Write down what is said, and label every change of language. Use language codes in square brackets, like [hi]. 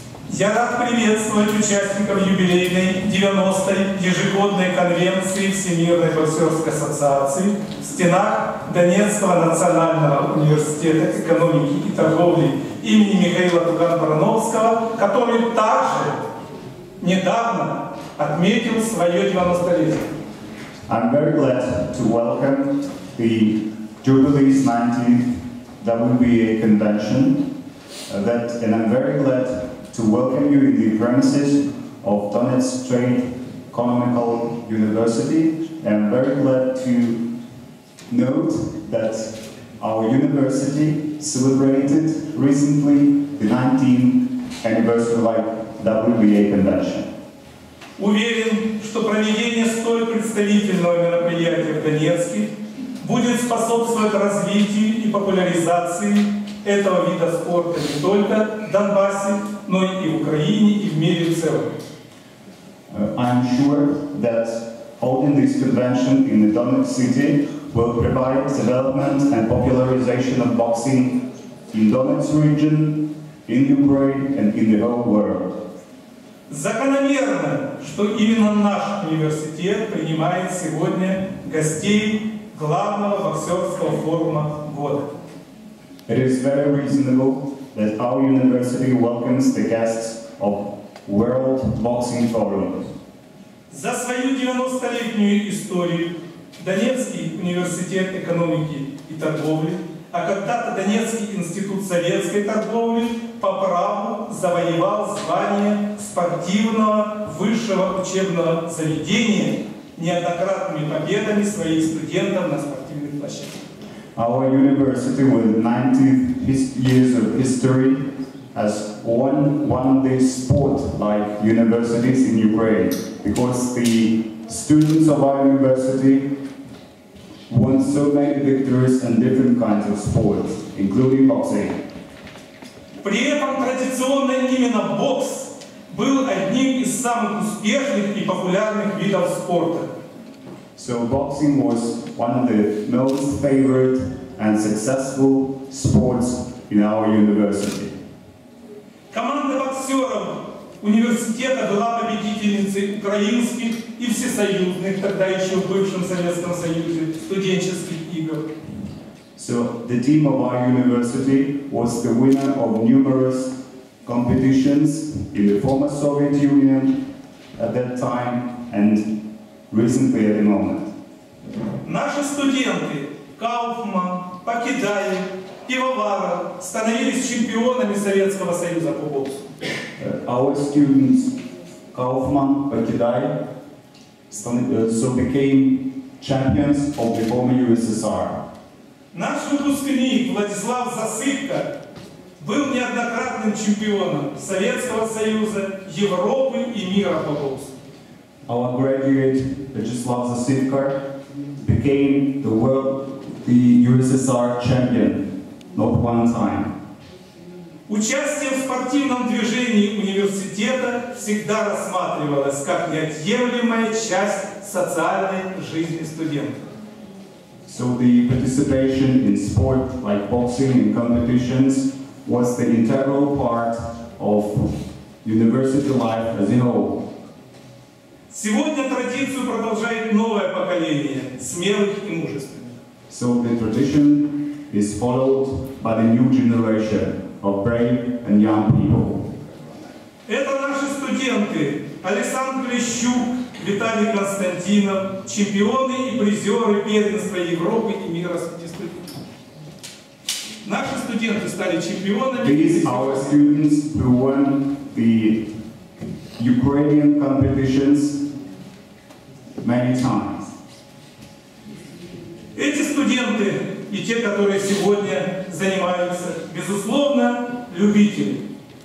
[ru] Я рад приветствовать участников юбилейной 90-й ежегодной конвенции Всемирной боксерской ассоциации в стенах Донецкого национального университета экономики и торговли имени Михаила Туган-Барановского, который также недавно отметил свое 90-летие. [en] I'm very glad to welcome the Jubilees 19th WBA convention and I'm very glad to welcome you in the premises of Donetsk Trade Economical University. I'm very glad to note that our university celebrated recently the 19th anniversary of the WBA convention. [ru] Уверен, что проведение столь представительного мероприятия в Донецке будет способствовать развитию и популяризации этого вида спорта не только в Донбассе, но и в Украине, и в мире в целом. [en] I'm sure that holding this convention in the Donetsk city will provide development and popularization of boxing in Donetsk region, in Ukraine and in the whole world. [ru] Закономерно, что именно наш университет принимает сегодня гостей главного боксерского форума года. [en] It is very reasonable that our university welcomes the guests of World Boxing Forum. [ru] За свою 90-летнюю историю Донецкий университет экономики и торговли, а когда-то Донецкий институт советской торговли, по праву завоевал звание спортивного высшего учебного заведения неоднократными победами своих студентов на спортивных площадках. [en] Our university with 90 years of history has won the sport like universities in Ukraine because the students of our university won so many victories in different kinds of sports, including boxing. [ru] При этом традиционно именно бокс был одним из самых успешных и популярных видов спорта. [en] So boxing was one of the most favorite and successful sports in our university. [ru] Команда боксеров университета была победительницей украинских и всесоюзных, тогда еще в бывшем Советском Союзе, студенческих игр. [en] So the team of our university was the winner of numerous competitions in the former Soviet Union at that time and recently at the moment. [ru] Наши студенты Кауфман, Пакидай, Пивовара становились чемпионами Советского Союза по боксу. [en] Our students Kaufman, Pakidai became champions of the former USSR. [ru] Наш выпускник Владислав Засыпка Был неоднократным чемпионом Советского Союза, Европы и мира по боксу. [en] Our graduate Vyacheslav Zasivkar became the world, the USSR champion, not one time. [ru] Участие в спортивном движении университета всегда рассматривалось как неотъемлемая часть социальной жизни студентов. [en] So the participation in sport like boxing and competitions was the integral part of university life as a whole. [ru] Сегодня традицию продолжает новое поколение смелых и мужественных. [en] So the tradition is followed by the new generation of brave and young people. [ru] Это наши студенты Александр Клещук, Виталий Константинов, чемпионы и призеры первенства Европы и мира студентов. Наши студенты стали чемпионами. [en] These are students who won the Ukrainian competitions many times. [ru] Эти студенты и те, которые сегодня занимаются, безусловно, любители.